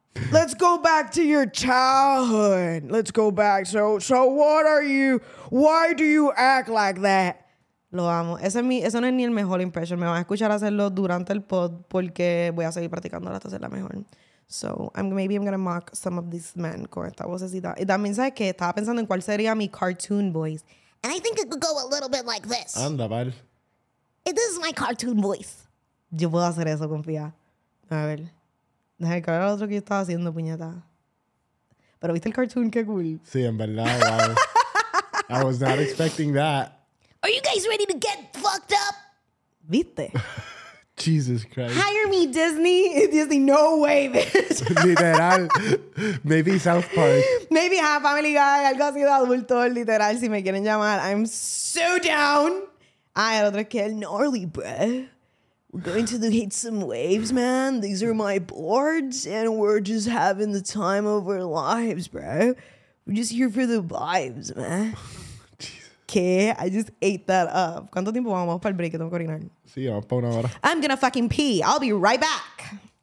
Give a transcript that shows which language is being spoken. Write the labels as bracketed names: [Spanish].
[English] Let's go back to your childhood. Let's go back. So what are you? Why do you act like that? [Spanish] Lo amo. Eso no es ni el mejor impression. Me van a escuchar hacerlo durante el pod porque voy a seguir practicando hasta hacerla mejor. [English] So maybe I'm going to mock some of these men [Spanish] con esta vocecita. Y también sabes que estaba pensando en cuál sería mi [English] cartoon voice. And I think it could go a little bit like this. [Spanish] Anda, pal. [English] This is my cartoon voice. [Spanish] Yo puedo hacer eso, confía. A ver. Deja de cargar lo otro que yo estaba haciendo, puñeta. Pero viste el cartoon, [English] qué cool. [Spanish] Sí, en verdad. [English] Wow. I was not expecting that. Are you guys ready to get fucked up? [Spanish] ¿Viste? [English] Jesus Christ. Hire me, Disney. Disney, no way, bitch. Literal. Maybe South Park. Maybe Family Guy, algo así de adulto, literal. Si me quieren llamar, I'm so down. [Spanish] Ay, el otro es que el gnarly, bruh. [English] We're going to hit some waves, man. These are my boards, and we're just having the time of our lives, bro. We're just here for the vibes, man. Okay, I just ate that up. [Spanish] ¿Cuánto tiempo vamos para el break? Tengo que orinar. Sí, vamos para una hora. [English] I'm gonna fucking pee. I'll be right back.